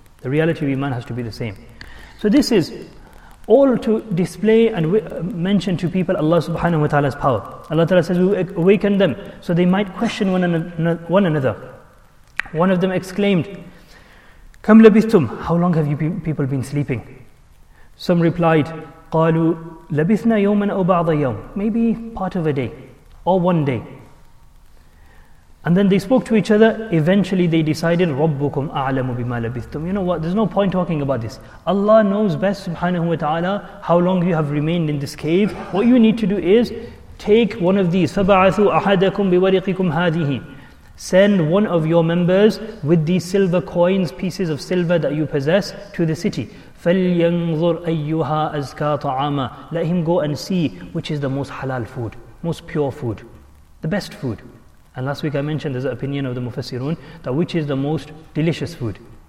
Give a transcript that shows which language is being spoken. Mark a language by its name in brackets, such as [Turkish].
[English] The reality of iman has to be the same. So this is all to display and mention to people Allah subhanahu wa ta'ala's power. Allah ta'ala says, we awaken them. So they might question one another. One of them exclaimed, [Arabic] Kam labithum? [English] How long have you people been sleeping? Some replied, [Arabic] قالوا لبثنا يوما أو بعض يوم. [English] Maybe part of a day or one day. And then they spoke to each other. Eventually they decided, [Arabic] ربكم أعلم بما لبثتم. [English] You know what, there's no point talking about this. Allah knows best, subhanahu wa ta'ala, how long you have remained in this cave. What you need to do is take one of these. [Arabic] فبعثوا أحدكم بورقكم هذه. [English] Send one of your members with these silver coins, pieces of silver that you possess, to the city. [Arabic] فَلْيَنْظُرْ أَيُّهَا أَزْكَى طَعَامًا [English] Let him go and see which is the most halal food, most pure food, the best food. And last week I mentioned there's an opinion of the Mufassirun that which is the most delicious food.